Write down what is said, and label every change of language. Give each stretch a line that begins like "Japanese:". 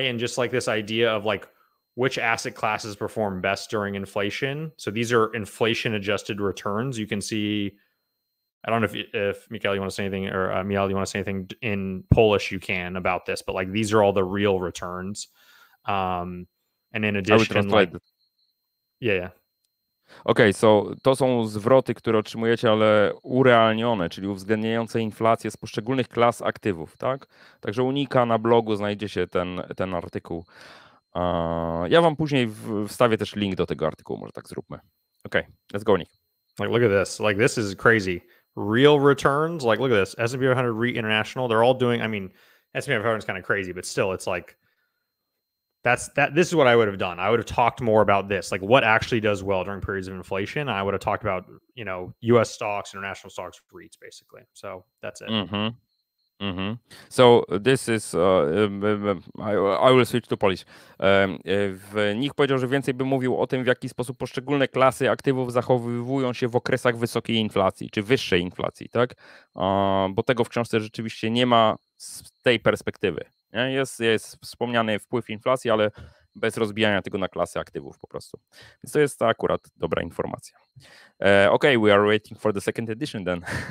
English: And just like this idea of like which asset classes perform best during inflation. So these are inflation adjusted returns. You can see, I don't know if Michał, you want to say anything in Polish, you can about this, but like these are all the real returns. And in addition,
Polish: Okay, so to są zwroty, które otrzymujecie, ale urealnione, czyli uwzględniające inflację z poszczególnych klas aktywów, tak? Także u Nika na blogu znajdzie się ten artykuł. Ja wam później wstawię też link do tego artykułu, może tak zróbmy.
English: Okay, let's go, Nick. Like, look at this. Like, this is crazy. Real returns, like, look at this. S&P 500 REIT International, they're all doing, I mean, S&P 500 is kind of crazy, but still, it's like, this is what I would have done. I would have talked more about this, like what actually does well during periods of inflation. I would have talked about, you know, US stocks, international stocks, REITs, basically. So that's it. Mm-hmm. Mm-hmm. So this is, I will switch to Polish.
Polish: W nich powiedział, że więcej by mówił o tym, w jaki sposób poszczególne klasy aktywów zachowują się w okresach wysokiej inflacji, czy wyższej inflacji, tak? Bo tego w książce rzeczywiście nie ma z tej perspektywy. Nie? Jest wspomniany wpływ inflacji, ale bez rozbijania tego na klasy aktywów po prostu. Więc to jest akurat dobra informacja.
English: Okay, we are waiting for the second edition then.